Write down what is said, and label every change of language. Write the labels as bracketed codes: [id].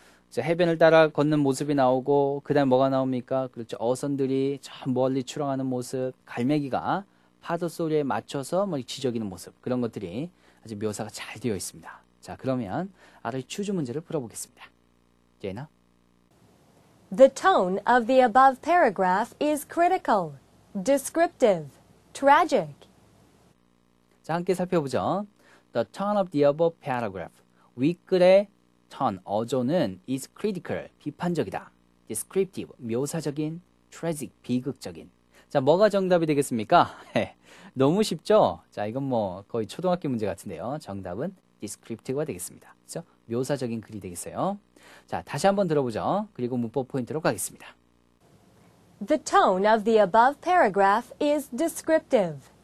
[ko] 자, 해변을 따라 걷는 모습이 나오고 그 다음에 뭐가 나옵니까? 그렇죠. 어선들이 저 멀리 출항하는 모습, 갈매기가 파도 소리에 맞춰서 뭐 지적이는 모습, 그런 것들이 아주 묘사가 잘 되어 있습니다. 자, 그러면 아래 추주 문제를 풀어보겠습니다. 제이나? [en] The tone of the above paragraph is critical, descriptive, tragic. [ko] 자, 함께 살펴보죠. [en] The tone of the above paragraph. [ko] 윗글의 tone, 어조는 [en] is critical, [ko] 비판적이다. descriptive, 묘사적인, tragic, 비극적인. 자, 뭐가 정답이 되겠습니까? 너무 쉽죠? 자, 이건 뭐 거의 초등학교 문제 같은데요. 정답은 descriptive가 되겠습니다. 그렇죠? 묘사적인 글이 되겠어요. 자, 다시 한번 들어보죠. 그리고 문법 포인트로 가겠습니다. [en] The tone of the above paragraph is descriptive.